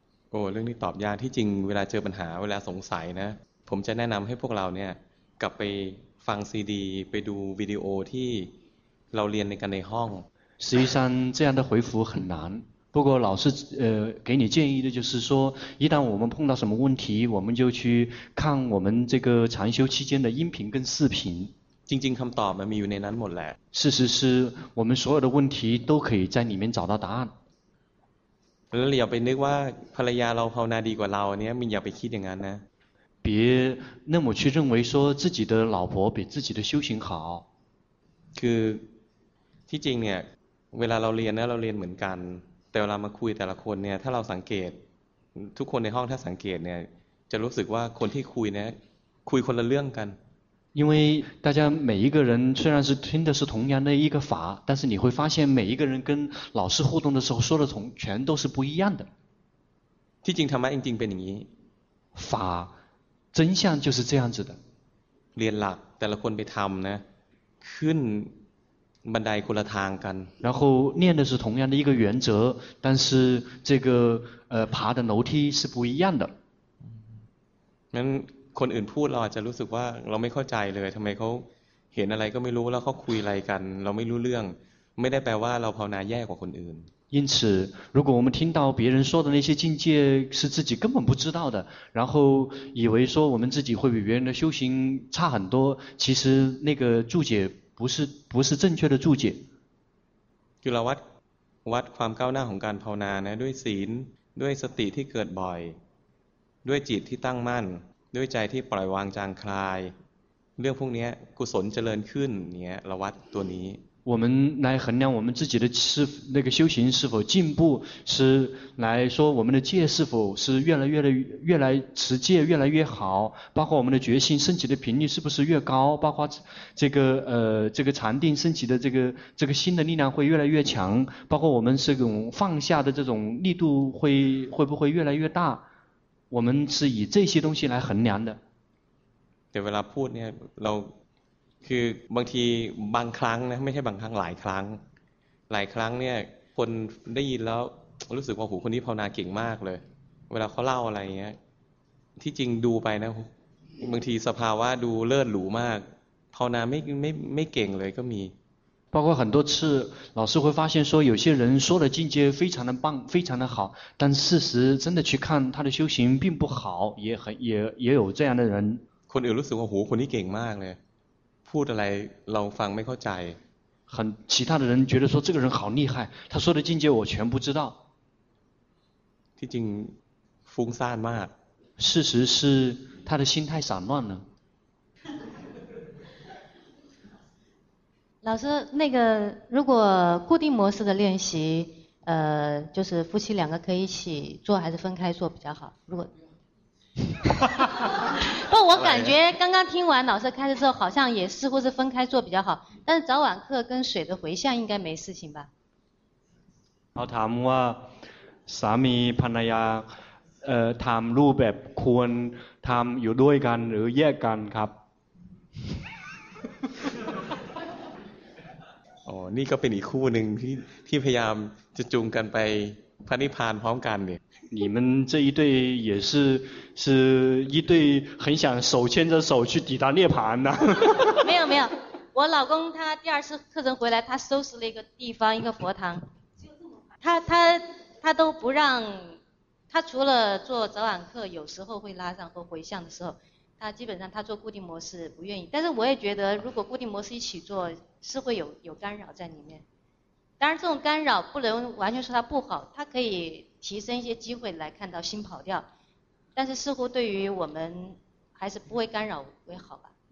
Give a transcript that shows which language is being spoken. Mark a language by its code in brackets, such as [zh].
[th] โอ้เรื่องนี้ตอบยากที่จริงเวลาเจอปัญหาเวลาสงสัยนะผมจะแนะนำให้พวกเราเนี่ยกลับไปฟังซีดีไปดูวิดีโอที่เราเรียนในกันในห้อง [zh] 实际上这样的回复很难不过老师给你建议的就是说一旦我们碰到什么问题我们就去看我们这个禅修期间的音频跟视频 [th] จริงๆคำตอบมันมีอยู่ในนั้นหมดแหละ [zh] 事实是我们所有的问题都可以在里面找到答案 [th] แล้วอย่าไปนึกว่าภรรยาเราภาวนาดีกว่าเราเนี่ยมึงอย่าไปคิดอย่างนั้นนะ [zh] 别那么去认为说自己的老婆比自己的修行好 [th] คือที่จริงเนี่ยเวลาเราเรียนนะเราเรียนเหมือนกันแต่เวลามาคุยแต่ละคนเนี่ยถ้าเราสังเกตทุกคนในห้องถ้าสังเกตเนี่ยจะรู้สึกว่าคนที่คุยเนี่ยคุยคนละเรื่องกัน [zh] 因为大家每一个人虽然是听的是同样的一个法但是你会发现每一个人跟老师互动的时候说的同全都是不一样的 [th] ที่จริงธรรมะจริงเป็นอย่างนี้ [zh] 法真相就是这样子的 [th] เรียนหลักแต่ละคนไปทำนะขึ้นบันไดคนละทางกัน [zh] 然后念的是同样的一个原则但是这个爬的楼梯是不一样的 [th] งั้นคนอื่นพูดเราอาจจะรู้สึกว่าเราไม่เข้าใจเลยทำไมเขาเห็นอะไรก็ไม่รู้แล้วเขาคุยอะไรกันเราไม่รู้เรื่องไม่ได้แปลว่าเราภาวนาแย่กว่าคนอื่น [zh] 因此如果我们听到别人说的那些境界是自己根本不知道的然后以为说我们自己会比别人的修行差很多其实那个注解不是正确的注解 [th] คือเราวัดความก้าวหน้าของการภาวนานะด้วยศีลด้วยสติที่เกิดบ่อยด้วยจิตที่ตั้งมั่นด้วยใจที่ปล่อยวางจางคลายเรื่องพวกนี้กุศลเจริญขึ้นเนี่ยเราวัดตัวนี้ [zh] 我们来衡量我们自己的那个修行是否进步是来说我们的戒是否是越来持戒越来越好包括我们的决心升起的频率是不是越高包括这个禅定升起的这个心的力量会越来越强包括我们这种放下的这种力度会不会越来越大我们是以这些东西来衡量的 [th] แต่เวลาพูดเนี่ยเราคือบางทีบางครั้งนะไม่ใช่บางครั้งหลายครั้งเนี่ยคนได้ยินแล้วรู้สึกว่าโอ้โหคนนี้ภาวนาเก่งมากเลยเวลาเขาเล่าอะไรเงี้ยที่จริงดูไปนะบางทีสภาวะดูเลิศหรูมากภาวนาไม่เก่งเลยก็มี [zh] 包括很多次老师会发现说有些人说的境界非常的棒非常的好但事实真的去看他的修行并不好也有这样的人 [th] คนอื่นรู้สึกว่าโหคนนี้เก่งมากเลยพูดอะไรเราฟังไม่เข้าใจ [zh] 很其他的人觉得说这个人好厉害他说的境界我全不知道 [th] ที่จริงฟุ้งซ่านมาก [zh] 事实是他的心太散乱了老师，那个如果固定模式的练习，就是夫妻两个可以一起做，还是分开做比较好？如果，不，我感觉刚刚听完老师开始之后，好像也似乎是分开做比较好。但是早晚课跟水的回向应该没事情吧？ [th] เขาถามว่าสามีภรรยาทำรูปแบบควรทำอยู่ด้วยกันหรือแยกกันครับ อ๋อนี่ก็เป็นอีกคู่นึงที่พยายามจะจูงกันไปพระนิพพานพร้อมกันเนี่ย [zh] 你们这一对也是一对很想手牵着手去抵达涅槃的没有没有我老公他第二次课程回来他收拾了一个地方一个佛堂他都不让他除了做早晚课有时候会拉上或回向的时候他基本上他做固定模式不愿意但是我也觉得如果固定模式一起做是会有干扰在里面当然这种干扰不能完全说它不好它可以提升一些机会来看到心跑掉但是似乎对于我们还是不会干扰为好吧